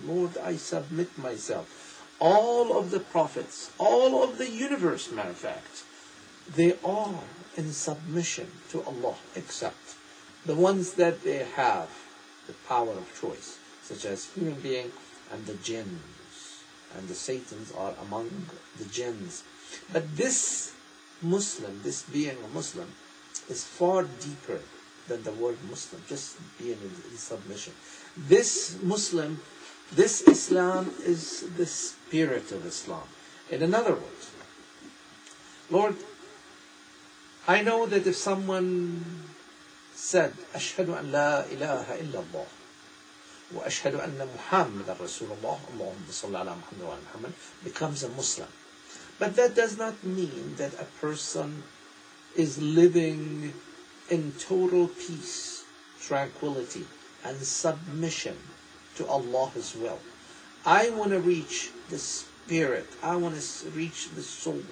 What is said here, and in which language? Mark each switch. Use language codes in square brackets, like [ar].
[en] Lord, I submit myself. All of the prophets, all of the universe, matter of fact, they are in submission to Allah, except the ones that they have the power of choice, such as human being and the jinns, and the Satans are among the jinns. But this Muslim, this being a Muslim, is far deeper than the word Muslim, just being in submission. This Muslim, this Islam, is the spirit of Islam. In another word, Lord, I know that if someone said, [ar] أَشْهَدُ أَنْ لَا إِلَهَ إِلَّا اللَّهُ وَأَشْهَدُ أَنَّ مُحَمَّدًا رَسُولُ اللَّهُ اللَّهُمَّ صَلَّى عَلَى مُحَمَّدٍ وَعَلَى مُحَمَّدٍ, [en] becomes a Muslim. But that does not mean that a person is living in total peace, tranquility, and submission to Allah's will. I want to reach the spirit. I want to reach the soul.